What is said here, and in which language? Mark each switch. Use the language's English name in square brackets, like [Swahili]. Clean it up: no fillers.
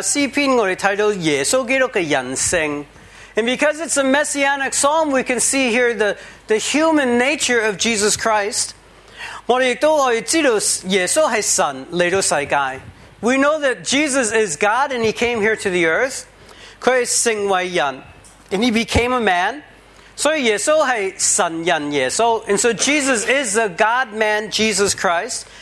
[Chinese] 我们会看到这个,因为弥赛亚诗篇,我们看到耶稣基督的人性。 [English] And because it's a messianic psalm, we can see here the human nature of Jesus Christ. [Chinese] 我们也都会知道耶稣是神来到世界。 [English] We know that Jesus is God and he came here to the earth. [Chinese] 他是成为人, [English] and he became a man. [Chinese] 所以耶稣是神人耶稣, [English] and so Jesus is the God-man Jesus Christ.